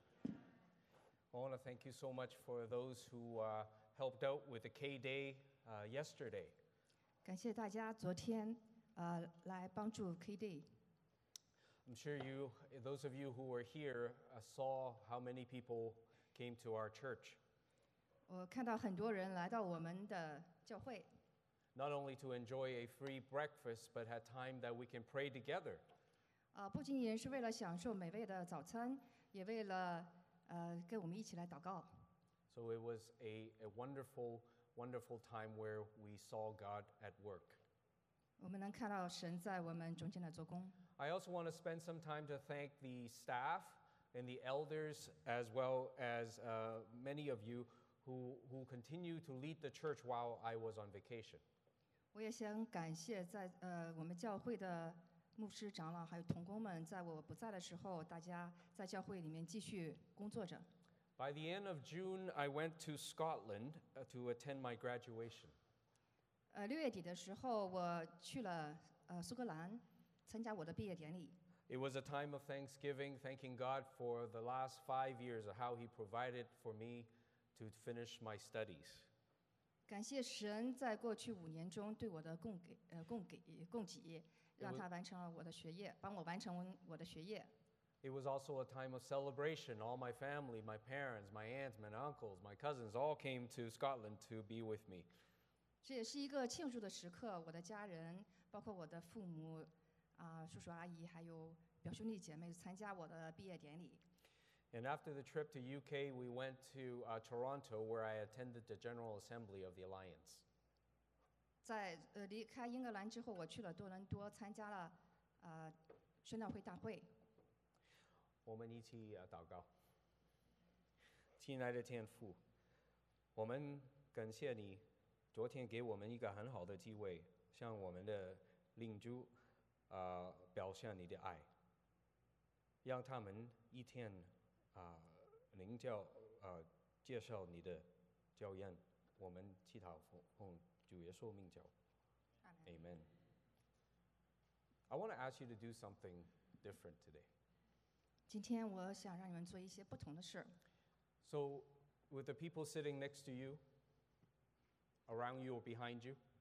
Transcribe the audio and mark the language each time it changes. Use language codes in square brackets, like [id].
[en] I want to thank you so much for those who helped out with the K-Day yesterday. [zh] 感谢大家昨天来帮助 K-Day. [en] I'm sure you, those of you who were here, saw how many people came to our church. [zh] 我看到很多人来到我们的教会。 [en] Not only to enjoy a free breakfast, but had time that we can pray together. [zh] 不仅仅是为了享受美味的早餐，也为了跟我们一起来祷告。 [en] So it was a wonderful, wonderful time where we saw God at work. [zh] 我们能看到神在我们中间的做工。 [en] I also want to spend some time to thank the staff and the elders, as well as many of you who continue to lead the church while I was on vacation. [zh] 我也想感谢在我们教会的牧师、长老还有同工们，在我不在的时候，大家在教会里面继续工作着。 [en] By the end of June, I went to Scotland to attend my graduation. [zh] 六月底的时候，我去了苏格兰，参加我的毕业典礼。 [en] It was a time of thanksgiving, thanking God for the last 5 years of how He provided for me to finish my studies. [zh] 感谢神在过去五年中对我的供给。让他完成了我的学业，帮我完成我的学业。 [en] It was also a time of celebration. All my family, my parents, my aunts, my uncles, my cousins all came to Scotland to be with me. [zh] 这也是一个庆祝的时刻，我的家人，包括我的父母，叔叔阿姨，还有表兄弟姐妹参加我的毕业典礼。 [en] And after the trip to UK, we went to Toronto, where I attended the General Assembly of the Alliance. [zh] 在离开英格兰之后，我去了多伦多，参加了宣道会大会。我们一起祷告。亲爱的天父，我们感谢你昨天给我们一个很好的机会，向我们的领主表现你的爱，让他们一天领教介绍你的教宴。我们祈祷奉主耶稣名叫 [en] Amen. Amen. I want to ask you to do something different today. [zh] 今天我想让你们做一些不同的事。 [en] So, with the people sitting next to you, around you or behind you,